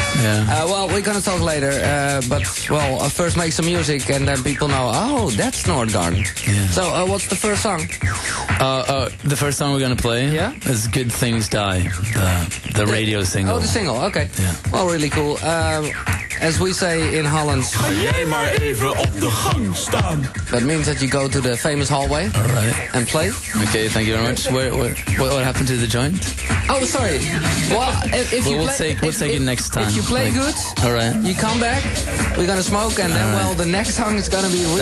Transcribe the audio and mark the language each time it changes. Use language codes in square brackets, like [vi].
[en] Yeah. We're going to talk later, I'll first make some music and then people know, that's Nordgarden. Yeah. So what's the first song? The first song we're going to play is Good Things Die, the radio single. Oh, the single, okay. Yeah. Well, really cool. As we say in Holland, [nl] ga jij maar even op de gang staan. [en] That means that you go to the famous hallway and play. Okay, thank you very much. What happened to the joint? Oh, sorry. We'll take it next time. If you play good, all right. You come back. We're gonna smoke, and then the next song is gonna be really